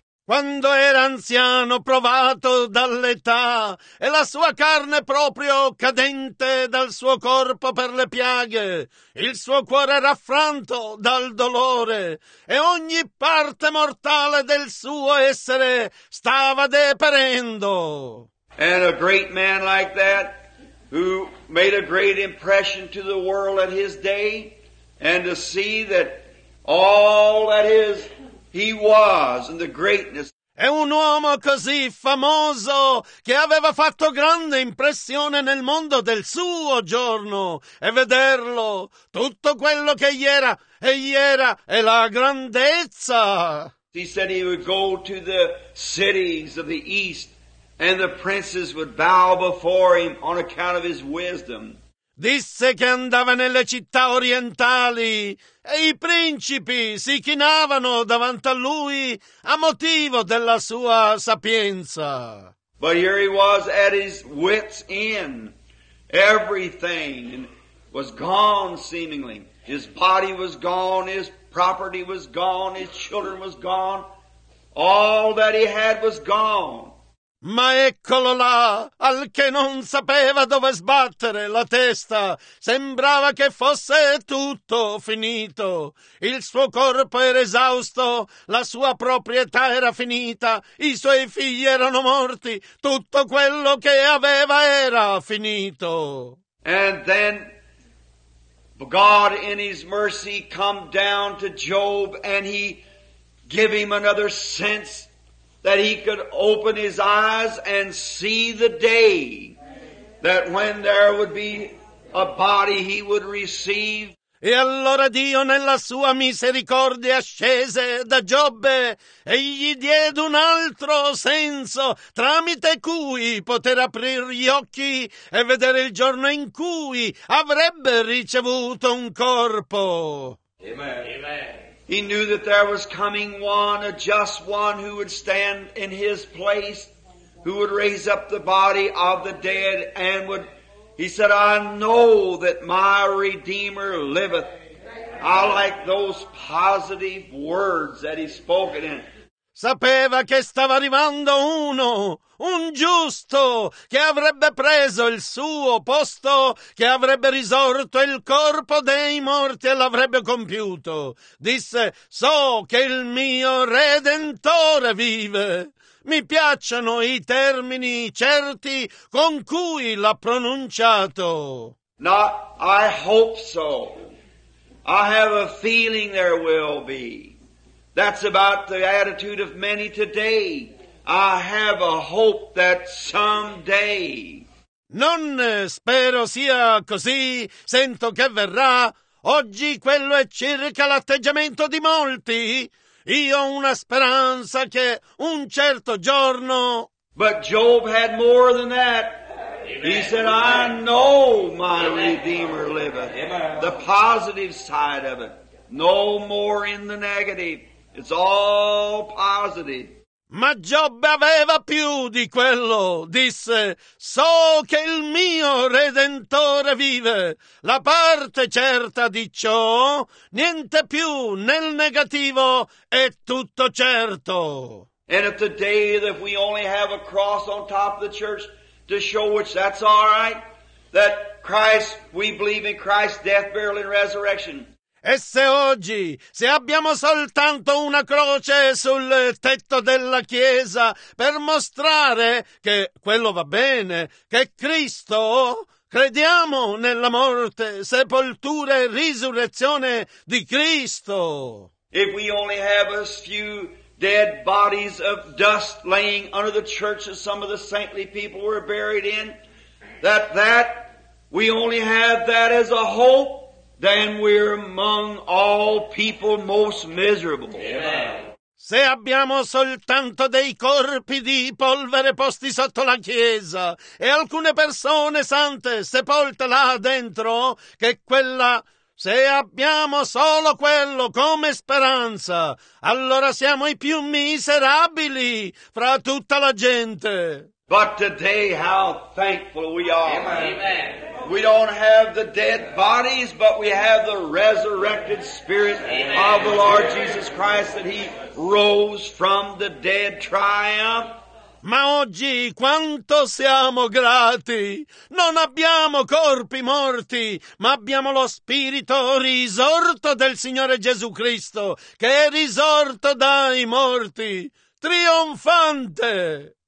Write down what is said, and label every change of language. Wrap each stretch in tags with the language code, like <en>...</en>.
<it>Quando era anziano, provato dall'età, e la sua carne proprio cadente dal suo corpo per le piaghe, il suo cuore era affranto dal dolore, e ogni parte mortale del suo essere stava deperendo.</it> <en>And a great man like that, who made a great impression to the world at his day, and to see that all that is he was in the greatness.</en> <it>È un uomo così famoso che aveva fatto grande impressione nel mondo del suo giorno. E vederlo, tutto quello che egli era, è la grandezza.</it> <en>He said he would go to the cities of the east and the princes would bow before him on account of his wisdom.</en> <it>Disse che andava nelle città orientali e i principi si chinavano davanti a lui a motivo della sua sapienza.</it> <en>But here he was at his wit's end. Everything was gone, seemingly. His body was gone. His property was gone. His children was gone. All that he had was gone.</en> <it>Ma eccolo là, al che non sapeva dove sbattere la testa, sembrava che fosse tutto finito. Il suo corpo era esausto, la sua proprietà era finita, i suoi figli erano morti, tutto quello che aveva era finito.</it> <en>And then God in his mercy come down to Job and he give him another sense that he could open his eyes and see the day that when there would be a body he would receive.</en> <it>E allora Dio nella sua misericordia scese da Giobbe e gli diede un altro senso tramite cui poter aprire gli occhi e vedere il giorno in cui avrebbe ricevuto un corpo.</it> <en>Amen. Amen. He knew that there was coming one, a just one, who would stand in his place, who would raise up the body of the dead, and would, he said, I know that my Redeemer liveth. I like those positive words that he spoke in.</en> <it>Sapeva che stava arrivando uno, un giusto, che avrebbe preso il suo posto, che avrebbe risorto il corpo dei morti e l'avrebbe compiuto. Disse, so che il mio Redentore vive. Mi piacciono i termini certi con cui l'ha pronunciato.</it> <en>No, I hope so. I have a feeling there will be. That's about the attitude of many today. I have a hope that someday.</en> <it>Non spero sia così, sento che verrà. Oggi quello è circa l'atteggiamento di molti. Io ho una speranza che un certo giorno.</it> <en>But Job had more than that. Amen. He said, I know my Amen. Redeemer liveth. Amen. The positive side of it. No more in the negative. It's all positive.</en> <it>Ma Giobbe aveva più di quello. Disse, so che il mio Redentore vive. La parte certa di ciò, niente più nel negativo, è tutto certo.</it> <en>And if the day that we only have a cross on top of the church to show which that's all right, that Christ, we believe in Christ's death, burial, and resurrection.</en> <it>E se oggi, se abbiamo soltanto una croce sul tetto della chiesa per mostrare che quello va bene, che Cristo, crediamo nella morte, sepoltura e risurrezione di Cristo.</it> <en>If we only have a few dead bodies of dust laying under the church that some of the saintly people were buried in, that we only have that as a hope, then we're among all people most miserable. Amen.</en> <it>Se abbiamo soltanto dei corpi di polvere posti sotto la chiesa e alcune persone sante sepolte là dentro, che quella, se abbiamo solo quello come speranza, allora siamo i più miserabili fra tutta la gente.</it> <en>But today how thankful we are. Amen. Amen. We don't have the dead bodies, but we have the resurrected spirit Amen. Of the Lord Jesus Christ that he rose from the dead triumph.</en> <it>Ma oggi quanto siamo grati! Non abbiamo corpi morti, ma abbiamo lo spirito risorto del Signore Gesù Cristo, che è risorto dai morti, trionfante!</it>